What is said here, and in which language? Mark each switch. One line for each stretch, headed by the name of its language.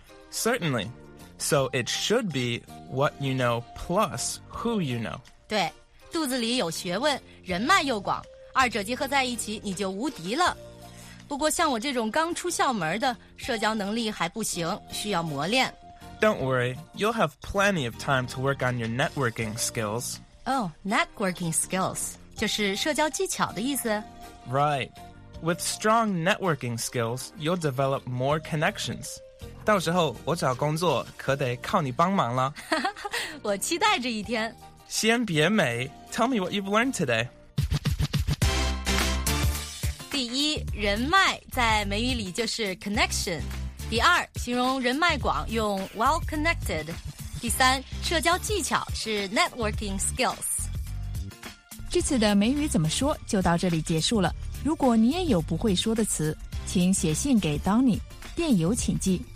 English: Certainly. So it should be what you know plus who you know.
Chinese: 对，肚子里有学问，人脉又广。二者结合在一起，你就无敌了。不过像我这种刚出校门的，社交能力还不行，需要磨练。
English: Don't worry, you'll have plenty of time to work on your networking skills. Oh, networking skills,
Chinese: 就是社交技巧的意思。
English: Right. With strong networking skills, you'll develop more connections.
Chinese: 到时候我找工作可得靠你帮忙了。我期待这一天。先别美，
English: tell me what you've learned today.
Chinese: 第一，人脉在美语里就是 connection。第二，形容人脉广用
English: well connected。
Chinese: 第三，社交技巧是
English: networking skills。
Chinese: 这次的美语怎么说就到这里结束了。如果你也有不会说的词，请写信给 Donnie， 电邮请寄